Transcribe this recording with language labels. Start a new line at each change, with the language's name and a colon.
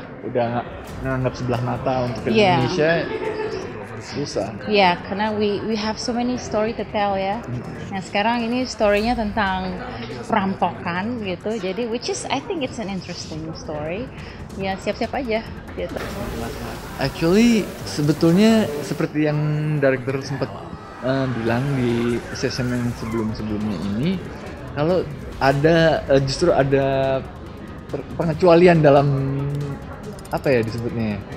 Indonesian: Udah nganggap sebelah mata untuk Indonesia. Susah. Ya, karena
English: we have so many story to tell ya.
Indonesian: Nah, sekarang ini story-nya tentang perampokan gitu. Jadi
English: which is I think it's an interesting story.
Indonesian: Ya, siap-siap aja gitu.
English: Actually,
Indonesian: sebetulnya seperti yang director sempat bilang di session yang sebelumnya ini, kalau ada justru ada pengecualian dalam apa ya disebutnya?